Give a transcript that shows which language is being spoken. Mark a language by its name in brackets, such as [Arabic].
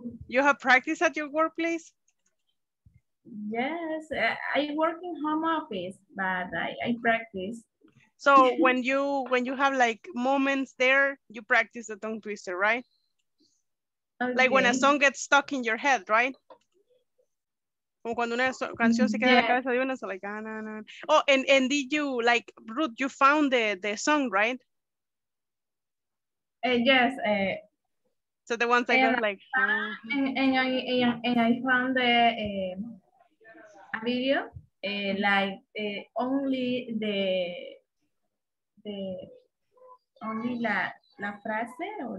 [English] You have practice at your workplace? Yes, I work in home office, but I practice. So when you have like moments there, you practice the tongue twister, right? Okay. Like when a song gets stuck in your head, right? [Spanish] Como cuando una canción se queda en la cabeza de uno, [English] so like, ah, nah, nah. Oh, and did you, like, Ruth, you found the song, right? Yes. So the ones I got like. And I found the a video like only only [Spanish] la frase [English] or